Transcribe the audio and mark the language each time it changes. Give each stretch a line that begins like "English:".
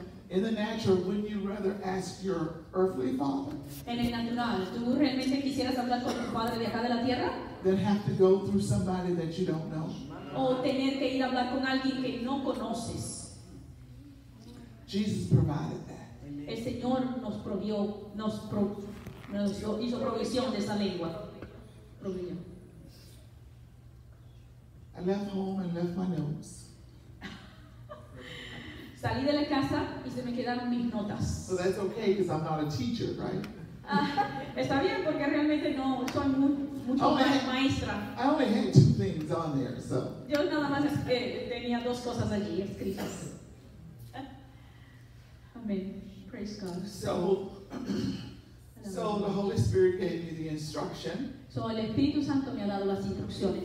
English: In the natural, wouldn't you rather ask your earthly father?
Spanish: En el natural, ¿tú realmente quisieras hablar con tu padre de acá de la tierra?
English: Then have to go through somebody that you don't know.
Spanish: O tener que ir a hablar con alguien que no conoces.
English: Jesus provided that.
Spanish: El Señor nos provió, nos hizo provisión de esa lengua.
English: I left home and left my notes.
Spanish: Salí de la casa y se me quedaron mis notas.
English: So that's okay because I'm not a teacher, right?
Spanish: Está bien porque realmente no soy mucho maestra.
English: I only had two things on there, so.
Spanish: Yo nada más es que tenía dos cosas allí escritas.
English: Amen. Praise God. So the Holy Spirit gave me the instruction.
Spanish: So el Espíritu Santo me ha dado las instrucciones.